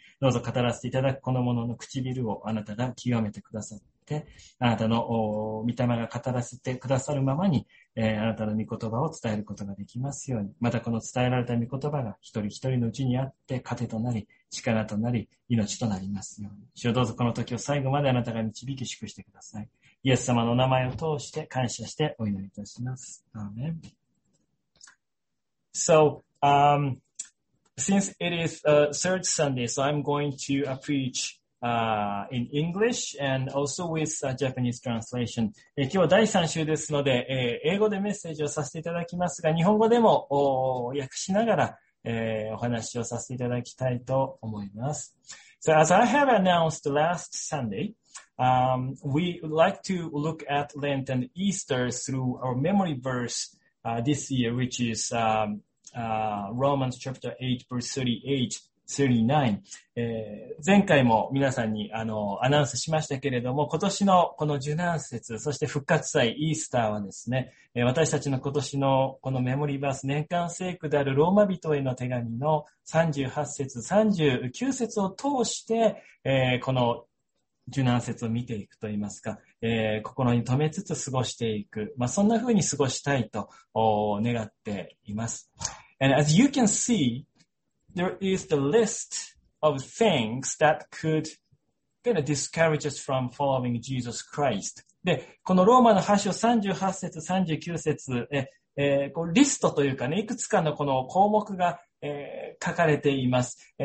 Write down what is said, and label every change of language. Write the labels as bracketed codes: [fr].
[ja] どうぞ語らせていただくこの者の唇をあなたが清めてくださって、あなたの御霊が語らせてくださるままに、あなたの御言葉を伝えることができますように、またこの伝えられた御言葉が一人一人のうちにあって糧となり力となり命となりますように、主よ、どうぞこの時を最後まであなたが導き祝してください。イエス様の名前を通して感謝してお祈りいたします。アーメン。 [en] So since it is third Sunday, so I'm going to preachin English and also with a Japanese translation. [ja] 今日は第3週ですので、英語でメッセージをさせていただきますが、日本語でも訳しながら、お話をさせていただきたいと思います。 [en] So as I have announced last Sunday, we would like to look at Lent and Easter through our memory verse this year, which is Romans chapter 8 verse 38-39、 [ja] 前回も皆さんにアナウンスしましたけれども、今年のこの受難節、そして復活祭、イースターはですね、私たちの今年のこのメモリーバース、年間聖句であるローマ人への手紙の38節、39節を通して、この受難節を見ていくといいますか、心に留めつつ過ごしていく、まあ、そんな風に過ごしたいと願っています。 [en] And as you can see,There is the list of things that could kind of discourage us from following Jesus Christ. [ja] で、このローマの8章38節39節、こうリストというかね、いくつかのこの項目が、書かれています。